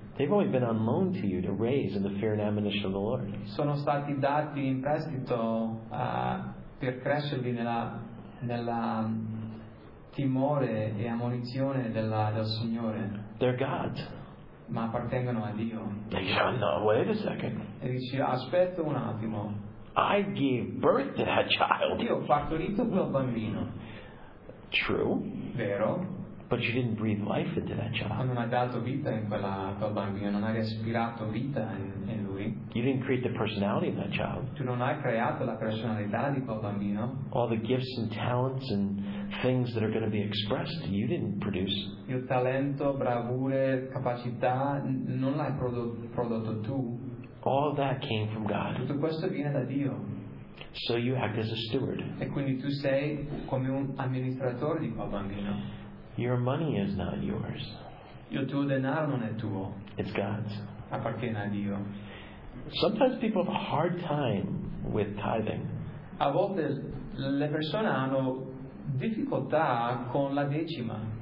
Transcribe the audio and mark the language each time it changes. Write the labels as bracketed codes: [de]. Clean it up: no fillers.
[en] They've only been on loan to you to raise in the fear and admonition of the Lord. [it] Sono stati dati in prestito per crescervi nella timore e ammonizione del Signore. [en] They're God's. [it] Ma appartengono a Dio. [en] No, wait a second. [it] E dice, aspetta un attimo. [en] I gave birth to that child. [it] Io ho partorito quel bambino. [en] True. [it] Vero. [en] But you didn't breathe life into that child. [it] Non ha dato vita in quella quel bambino. Non ha respirato vita in lui. [en] You didn't create the personality of that child. [it] Tu non hai creato la personalità di quel bambino. [en] All the gifts and talents and things that are going to be expressed, you didn't produce. [it] Il talento, bravure, capacità, non l'hai prodotto tu. [en] All that came from God. [it] Tutto questo viene da Dio. [en] So you act as a steward. [it] E quindi tu sei come un amministratore di quel bambino. [en] Your money is not yours. [it] Il tuo denaro non è tuo. [en] It's God's. [it] Appartiene a Dio. [en] Sometimes people have a hard time with tithing. [it] A volte le persone hanno difficoltà con la decima.